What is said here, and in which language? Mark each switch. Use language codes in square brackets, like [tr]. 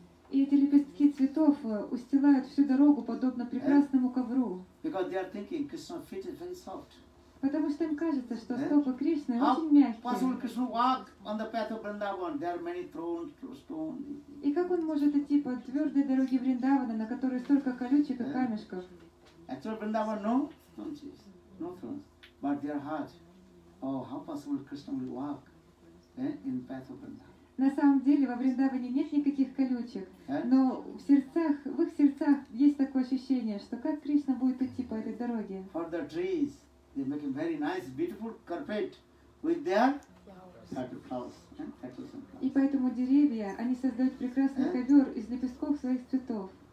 [ru] И эти лепестки цветов устилают всю дорогу подобно прекрасному ковру. [en] Because they are thinking Krishna's feet is very soft. [ru] Потому что им кажется, что стопы Кришны очень мягкие. [en] How possible Krishna walk on the path of Vrindavan? There are many thorns, stones. [ru] И как он может идти по твердой дороге Вриндавана, на которой столько колючек и камешков? [en] Actually, Vrindavan no thorns, but their heart. Oh, how possible Krishna will walk in the path of Vrindavan? [ru] На самом деле во Вриндаване нет никаких колючек, но в сердцах, в их сердцах есть такое ощущение, что как Кришна будет идти по этой дороге. [en] For the trees, they make a very nice, beautiful carpet with their flowers. [ru] И поэтому деревья, они создают прекрасный ковер из лепестков своих цветов.